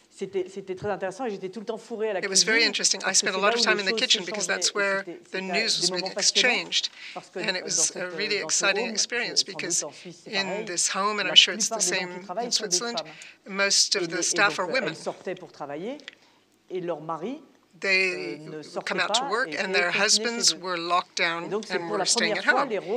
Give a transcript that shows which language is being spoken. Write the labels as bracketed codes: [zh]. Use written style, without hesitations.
[fr] C'était très intéressant et j'étais tout le temps fourré à la cuisine. [en] It was very interesting. I spent a lot of time in the kitchen because that's where the news was being exchanged. And it was a really exciting experience because in this home, and I'm sure it's the same in Switzerland, most of the staff are women. [fr] Elles sortaient pour travailler et leur mari. [en] They come out to work, and their husbands were locked down and were staying at home.